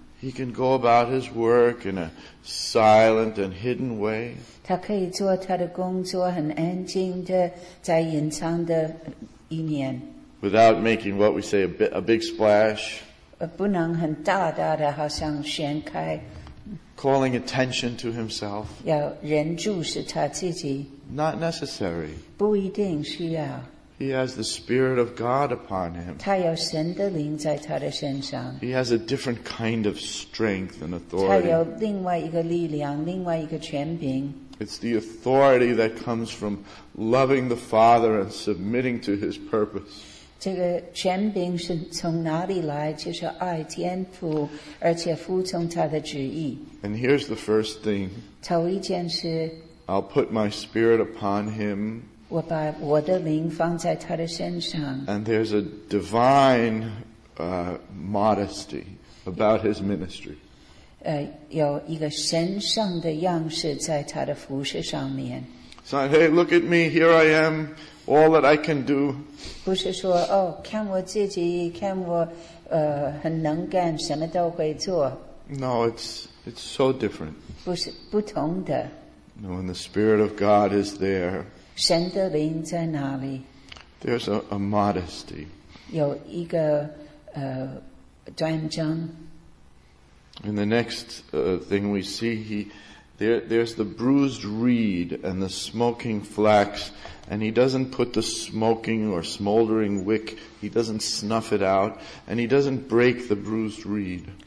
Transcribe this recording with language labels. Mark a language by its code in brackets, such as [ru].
[en] he can go about his work in a silent and hidden way. [zh] 他可以做他的工作很安静的在隐藏的一面, [en] without making what we say a big splash, [zh] 不能很大大的好像掀开, [en] calling attention to himself, [zh] 要人注视他自己, [en] not necessary. [zh] 不一定需要, [en] he has the Spirit of God upon him. [zh] 他有神的灵在他的身上, [en] he has a different kind of strength and authority. [zh] 他有另外一个力量另外一个权柄, [en] it's the authority that comes from loving the Father and submitting to his purpose. [zh] 这个权柄是从哪里来? 就是爱天父, 而且服从他的旨意。 [en] And here's the first thing. [zh] 头一件事, [en] I'll put my spirit upon him. [zh] 我把我的灵放在他的身上。 [en] And there's a divine modesty about his ministry. [zh] 有一个神圣的样式在他的服饰上面。 [en] So, hey, look at me, here I am, all that I can do. [zh] 不是说, oh, 看我自己,看我, 很能干, 什么都会做。 [en] No, it's so different. [zh] 不是,不同的。 [en] No, when the Spirit of God is there, [zh] 神的灵在哪里? [en] There's a modesty. [zh] 有一个, 端正。 [en] And the next thing we see, there's the bruised reed and the smoking flax, and he doesn't put the smoking or smoldering wick, he doesn't snuff it out, and he doesn't break the bruised reed.